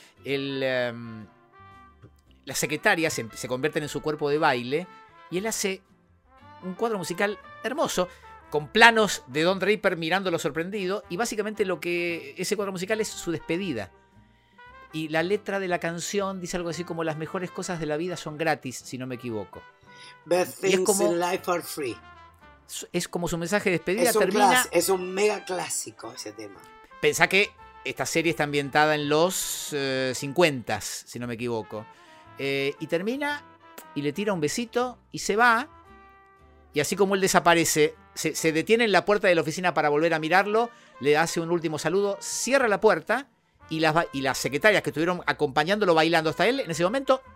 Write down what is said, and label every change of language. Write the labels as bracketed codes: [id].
[es] Las secretarias se convierten en su cuerpo de baile y él hace un cuadro musical hermoso con planos de Don Draper mirándolo sorprendido y básicamente lo que ese cuadro musical es su despedida. Y la letra de la canción dice algo así como las mejores cosas de la vida son gratis, si no me equivoco. [en] Best things [es] como, [en] in life are free. [es] Es como su mensaje de despedida. Es un mega clásico ese tema. Pensá que esta serie está ambientada en los 50, si no me equivoco. Y termina y le tira un besito y se va. Y así como él desaparece, se detiene en la puerta de la oficina para volver a mirarlo, le hace un último saludo, cierra la puerta y las secretarias que estuvieron acompañándolo bailando hasta él, en ese momento...